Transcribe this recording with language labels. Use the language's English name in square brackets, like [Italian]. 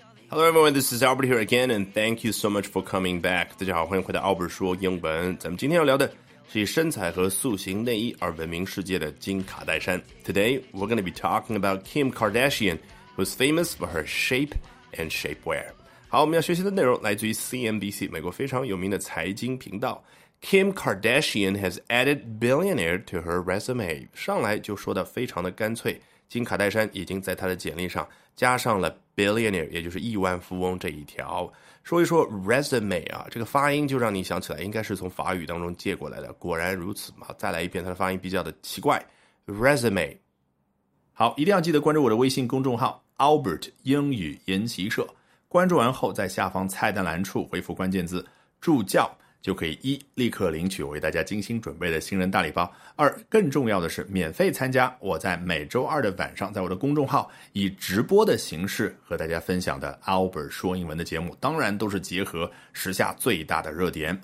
[English] Hello everyone, this is Albert here again, and thank you so much for coming back. [Chinese] 大家好，欢迎回到 Albert 说英文。咱们今天要聊的是以身材和塑形内衣而闻名世界的金卡戴珊。 [English] Today, we're going to be talking about Kim Kardashian, who's famous for her shape and shapewear. [Chinese] 好，我们要学习的内容来自于 CNBC, 美国非常有名的财经频道。 [English] Kim Kardashian has added billionaire to her resume. [Chinese] 上来就说的非常的干脆。金卡戴珊已经在她的简历上加上了 billionaire, 也就是亿万富翁这一条。说一说 resume 啊，这个发音就让你想起来应该是从法语当中借过来的，果然如此嘛。再来一遍，它的发音比较的奇怪， resume。好，一定要记得关注我的微信公众号 Albert 英语研习社，关注完后在下方菜单栏处回复关键字助教，就可以一立刻领取我为大家精心准备的新人大礼包，二更重要的是免费参加我在每周二的晚上在我的公众号以直播的形式和大家分享的 Albert 说英文的节目，当然都是结合时下最大的热点。